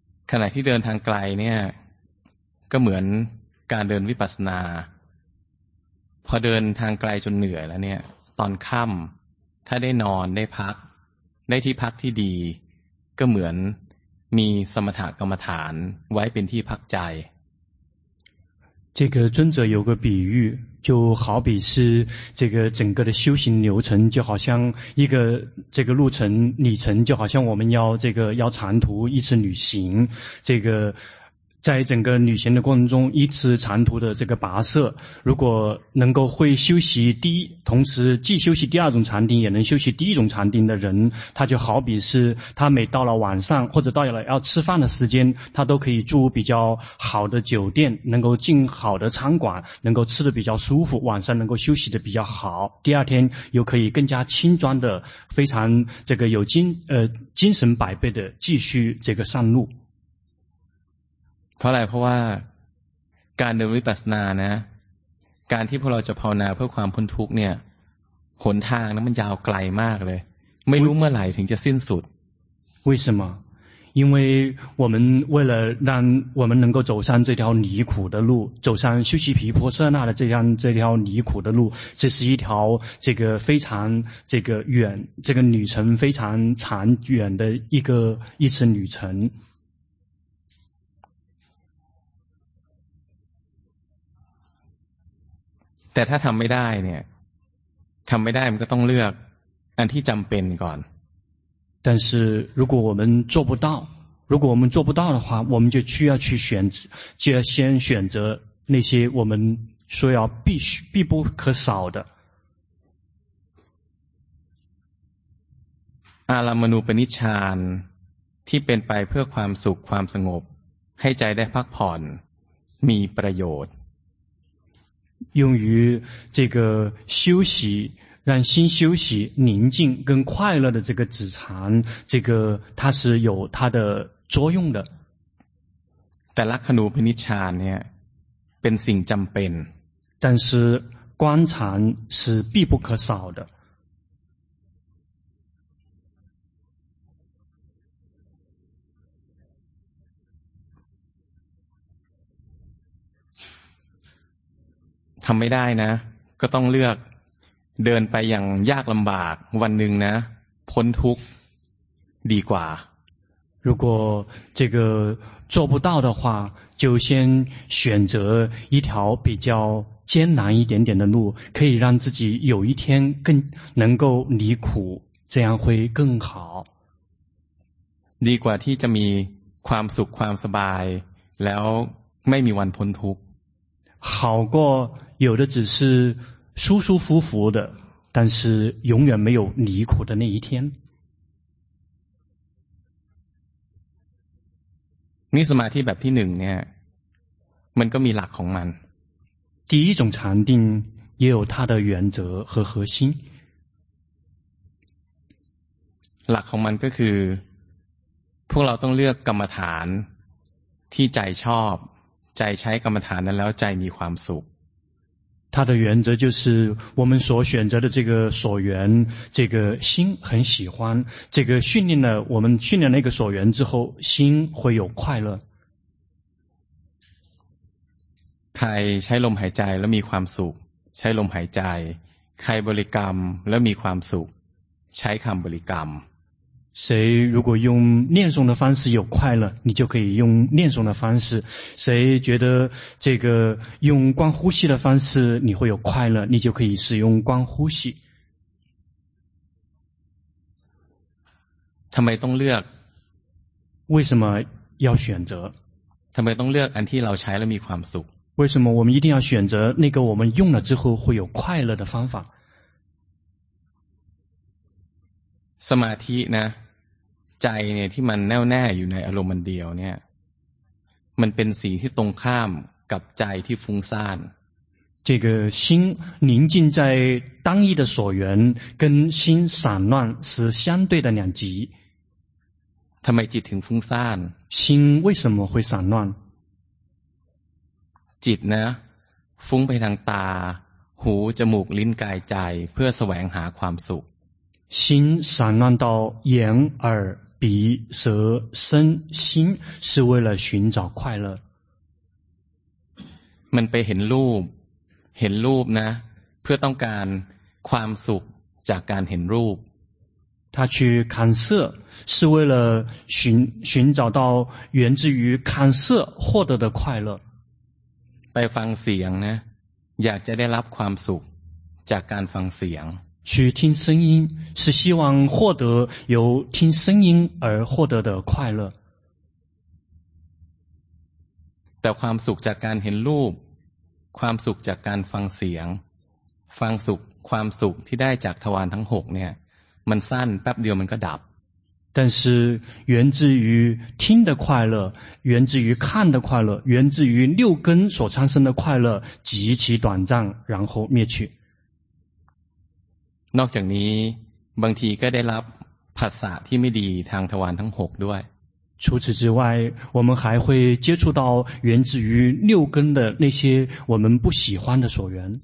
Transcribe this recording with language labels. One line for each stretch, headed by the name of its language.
Thai: ขณะที่เดินทางไกลเนี่ยก็เหมือนการเดินวิปัสสนาพอเดินทางไกลจนเหนื่อยแล้วเนี่ยตอนค่ำถ้าได้นอนได้พักได้ที่พักที่ดีก็เหมือนมีสมถกรรมฐานไว้เป็นที่พักใจ
Chinese: 这个尊者有个比喻就好比是这个整个的修行流程就好像一个这个路程里程就好像我们要这个要长途一次旅行这个在整个旅行的过程中一次长途的这个跋涉如果能够会休息第一同时既休息第二种禅定也能休息第一种禅定的人他就好比是他每到了晚上或者到了要吃饭的时间他都可以住比较好的酒店能够进好的餐馆能够吃得比较舒服晚上能够休息得比较好第二天又可以更加轻装的非常这个有精神百倍的继续这个上路
Thai: เพราะอะไรเพราะว่าการเดินวิปัสสนานะการที่พวกเราจะภาวนาเพื่อความพ้นทุกข์เนี่ยหนทางนั้นมันยาวไกลมากเลยไม่รู้เมื่อไหร่ถึงจะสิ้นสุด
Chinese: 为什么因为我们为了让我们能够走上这条离苦的路，走上修习毗婆舍那的这条离苦的路，这是一条这个非常这个远，这个旅程非常长远的一次旅程。
Thai: แต่ถ้าทำไม่ได้เนี่ยทำไม่ได้มันก็ต้องเลือกอันที่จำเป็นก่อน
Chinese: 但是如果我们做不到，如果我们做不到的话，我们就需要去选择，就要先选择那些我们说要必不可少的。
Thai: อารมณูปนิชฌานที่เป็นไปเพื่อความสุขความสงบให้ใจได้พักผ่อนมีประโยชน์
Chinese: 用于这个休息让心休息宁静跟快乐的这个止禅，这个它是有它的作用的。
Thai: แต่ลักขณูปนิชฌานเนี่ยเป็นสิ่งจำเป็น
Chinese: 但是观禅是必不可少的。
Thai: ทำไม่ได้นะก็ต้องเลือกเดินไปอย่างยากลำบากวันหนึ่งนะพ้นทุกข์ดีกว่า
Chinese: 如果这个做不到的话就先选择一条比较艰难一点点的路可以让自己有一天更能够离苦这样会更好
Thai: ดีกว่าที่จะมีความสุขความสบายแล้วไม่มีวันพ้นทุกข์
Chinese: 好过有的只是舒舒服服的但是永远没有离苦的那一天
Thai: มีสมาธิแบบที่หนึ่งเนี่ยมันก็มีหลักของมัน
Chinese: 第一种禅定也有它的原则和核心
Thai: หลักของมันก็คือพวกเราต้องเลือกกรรมฐานที่ใจชอบใจใช้กรรมฐานนั้นแล้วใจมีความสุข
Chinese: 它的原则就是我们所选择的这个所缘这个心很喜欢这个训练了我们训练了一个所缘之后心会有快乐
Thai: ใช้ลมหายใจแล้วมีความสุขใช้ลมหายใจใครบริกรรมแล้วมีความสุขใช้คำบริกรรม
Chinese: 谁如果用念诵的方式有快乐你就可以用念诵的方式谁觉得这个用观呼吸的方式你会有快乐你就可以使用观呼吸
Thai: ทำไมต้องเลือก
Chinese: 为什么要选择
Thai: ทำไมต้องเลือกอันที่เราใช้แล้วมีความสุข
Chinese: 为什么我们一定要选择那个我们用了之后会有快乐的方法
Thai: สมาธินะใจเนี่ยที่มันแน่วแน่อยู่ในอารมณ์เดียวเนี่ยมันเป็นสีที่ตรงข้ามกับใจที่ฟุ้งซ่าน
Chinese: 这个心宁静在单一的所缘跟心散乱是相对的两极
Thai: ทำไมจิตถึงฟุ้งซ่าน
Chinese: 心为什么会散乱
Thai: จิตนะฟุ้งไปทางตาหูจมูกลิ้นกายใจเพื่อแสวงหาความสุข
Chinese: 心散乱到眼耳鼻舌身心是为了寻找快乐
Thai: มันไปเห็นรูปนะเพื่อต้องการความสุขจากการเห็นรูป
Chinese: 他去看色是为了寻找到源自于看色获得的快乐
Thai: ไปฟังเสียงนะอยากจะได้รับความสุขจากการฟังเสียง
Chinese: 去听声音是希望获得由听声音而获得的快乐
Thai: แต่ความสุขจากการเห็นรูปความสุขจากการฟังเสียงฟังสุขความสุขที่ได้จากทวารทั้ง6เนี่ยมันสั้นแป๊บเดียวมันก็ดับ
Chinese: 但是源自于听的快乐源自于看的快乐源自于六根所产生的快乐极其短暂然后灭去
Thai: นอกจากนี้บางทีก็ได้รับผัสสะที่ไม่ดีทางทวารทั้ง6ด้วย
Chinese: 除此之外我们还会接触到源自于六根的那些我们不喜欢的所缘